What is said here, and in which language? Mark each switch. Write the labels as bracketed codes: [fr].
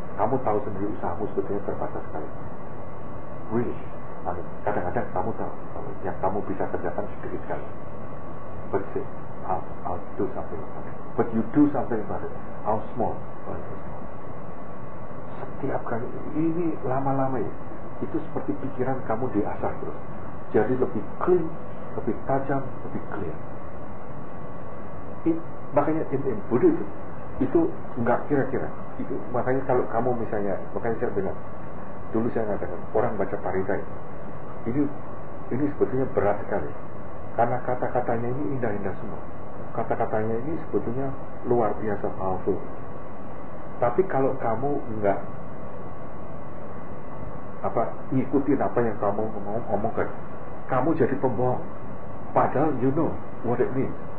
[id] Kamu tahu sendiri usahamu sebetulnya terbatas sekali. [en] Really? [id] Kadang-kadang kamu tahu yang kamu bisa kerjakan sedikit sekali. [en] But say, I'll do something about it. But you do something about it. How small? [id] Setiap kali ini lama-lama ya, itu seperti pikiran kamu diasah terus, jadi lebih clean, lebih tajam, lebih clear. Makanya [en] in Buddhism [id] itu enggak kira-kira. Itu makanya kalau kamu misalnya, makanya saya bilang dulu saya katakan orang baca parita ini sebetulnya berat sekali, karena kata-katanya ini indah-indah semua, kata-katanya ini sebetulnya luar biasa powerful. Tapi kalau kamu enggak apa ngikutin apa yang kamu ngomongkan, kamu jadi pembohong. Padahal [en] you know what it means.